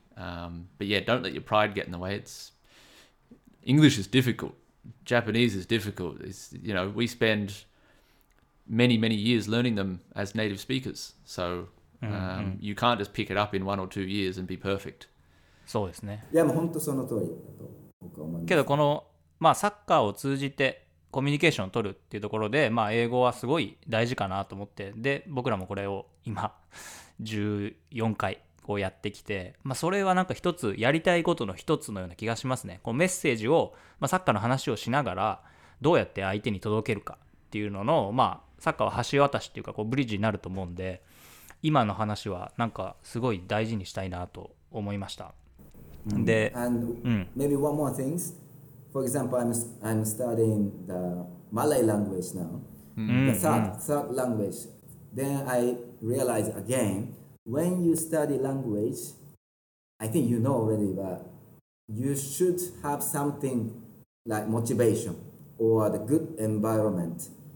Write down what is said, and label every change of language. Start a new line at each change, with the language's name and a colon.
English: But yeah, don't let your pride get in the way. It's English is difficult. Japanese is difficult. It's, you know, we spend many, many years learning them as native speakers. So you can't just pick it up in 1 or 2 years and be perfect.
Japanese: そうですね。いや、もう本当その通りだと僕は思います。けどこの、まあ、サッカーを通じてコミュニケーションを取るっていうところで、まあ、英語はすごい大事かなと思って、で、僕らもこれを今14回こうやってきて、まあ、それはなんか一つやりたいことの一つのような気がしますね。こうメッセージを、まあ、サッカーの話をしながらどうやって相手に届けるかっていうのの、まあ、サッカーは橋渡しっていうかこうブリッジになると思うんで、今の話はなんかすごい大事にしたいなと思いました。で、
English: Maybe one more things. For example, I'm studying the Malay language now. The third language. Then I realize again, when you study language, I think you know already, but you should have something like motivation or the good environment.